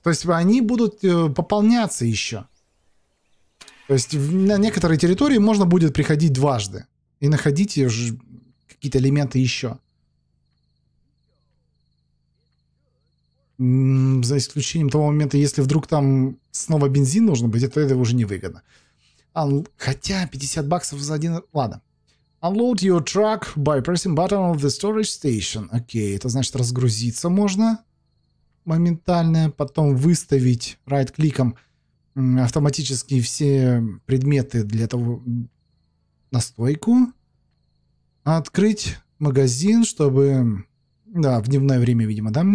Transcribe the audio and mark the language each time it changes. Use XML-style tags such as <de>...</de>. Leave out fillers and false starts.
<ru>То есть они будут пополняться еще. То есть на некоторые территории можно будет приходить дважды. И находите уже какие-то элементы еще. За исключением того момента, если вдруг там снова бензин нужно быть, то это уже невыгодно. Хотя 50 баксов за один... Ладно.</ru> <en>Unload your truck by pressing button of the storage station.</en> <ru>Окей, это значит разгрузиться можно моментально. Потом выставить right-кликом автоматически все предметы для того... на стойку. Открыть магазин, чтобы... Да, в дневное время, видимо, да?</ru>